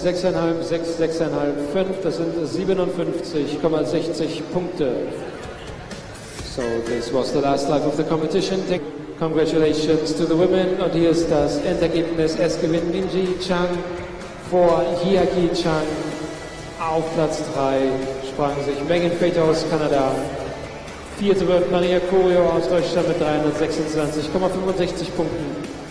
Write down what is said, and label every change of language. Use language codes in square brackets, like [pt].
[de] Sechs, fünfeinhalb, sechseinhalb, fünf, das sind 57,60 Punkte. [en] So, this was the last lap of the competition. Congratulations to the women. [de] Und hier ist das Endergebnis. Es gewinnt Minji Chang vor Jiaki Chang. Auf Platz 3 sprang sich Megan Fater aus Kanada. Vierte wird Maria Curio aus Deutschland mit 326,65 Punkten.